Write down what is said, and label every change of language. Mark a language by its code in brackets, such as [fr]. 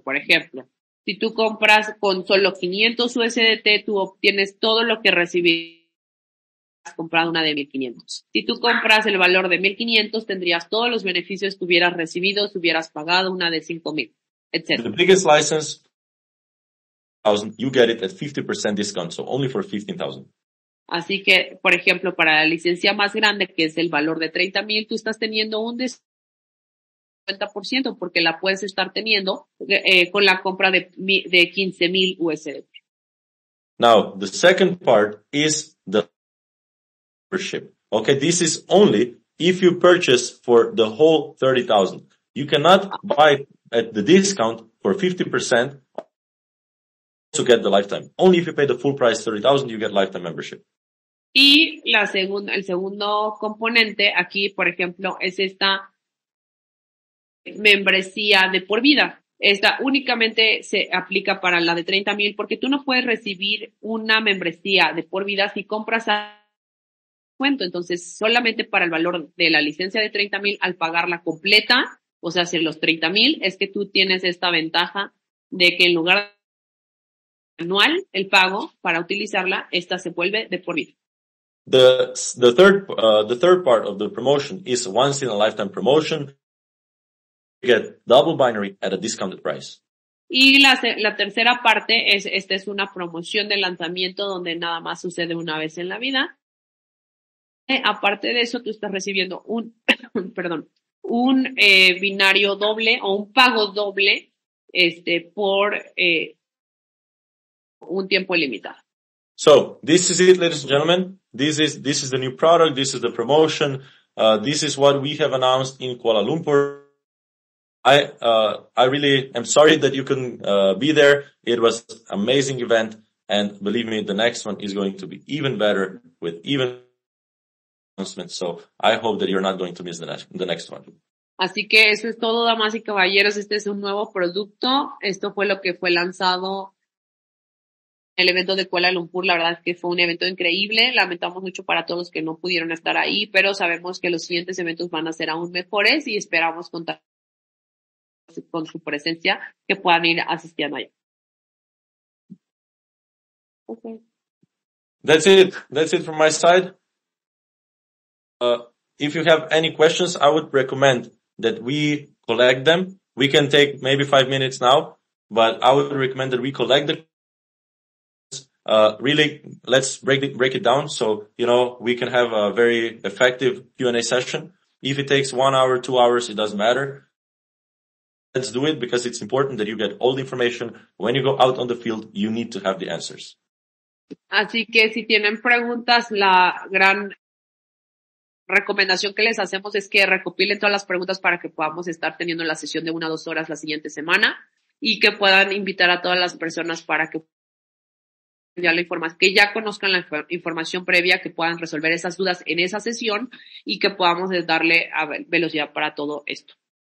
[es] Por ejemplo, si tú compras con solo 500 USDT, tú obtienes todo lo que recibirías. Has comprado una de 1,500. Si tú compras el valor de 1,500, tendrías todos los beneficios que hubieras recibido, si hubieras pagado una de 5,000, etc. [en] The biggest license, 1,000, you get it at 50% discount, so only for 15,000. [es] Así que, por ejemplo, para la licencia más grande, que es el valor de 30,000, tú estás teniendo un descuento. 50% porque la puedes estar teniendo con la compra de 15,000 USDT. [en] Now, the second part is the membership. Okay, this is only if you purchase for the whole 30,000. You cannot buy at the discount for 50% to get the lifetime. Only if you pay the full price 30,000, you get lifetime membership. [es] Y la segunda, el segundo componente aquí, por ejemplo, es esta membresía de por vida. Esta únicamente se aplica para la de 30,000 porque tú no puedes recibir una membresía de por vida si compras a cuento. Entonces, solamente para el valor de la licencia de 30,000 al pagarla completa, o sea, si los 30,000, es que tú tienes esta ventaja de que en lugar de anual el pago para utilizarla, esta se vuelve de por vida. [en] The third part of the promotion is once in a lifetime promotion. Get double binary at a discounted price. [es] Y la tercera parte es, esta es una promoción de lanzamiento donde nada más sucede una vez en la vida. Aparte de eso, tú estás recibiendo un binario doble o un pago doble, por un tiempo ilimitado. [en] So, this is it, ladies and gentlemen. This is the new product. This is the promotion. This is what we have announced in Kuala Lumpur. I really am sorry that you couldn't be there. It was an amazing event, and believe me, the next one is going to be even better with even announcements. So I hope that you're not going to miss the next one. [es] Así que eso es todo, damas y caballeros. Este es un nuevo producto. Esto fue lo que fue lanzado el evento de Kuala Lumpur. La verdad es que fue un evento increíble. Lamentamos mucho para todos los que no pudieron estar ahí, pero sabemos que los siguientes eventos van a ser aún mejores y esperamos contar con su presencia, que puedan ir asistiendo allá. [en] Okay. That's it from my side. If you have any questions, I would recommend that we collect them. We can take maybe 5 minutes now, but I would recommend that we collect the questions. Really, let's break it down so, you know, we can have a very effective Q&A session. If it takes 1 hour, 2 hours, it doesn't matter. Let's do it because it's important that you get all the information. When you go out on the field, you need to have the answers. [es] Así que si tienen preguntas, la gran recomendación que les hacemos es que recopilen todas las preguntas para que podamos estar teniendo la sesión de 1 o 2 horas la siguiente semana y que puedan invitar a todas las personas para que ya la información, que ya conozcan la información previa, que puedan resolver esas dudas en esa sesión y que podamos darle a velocidad para todo esto.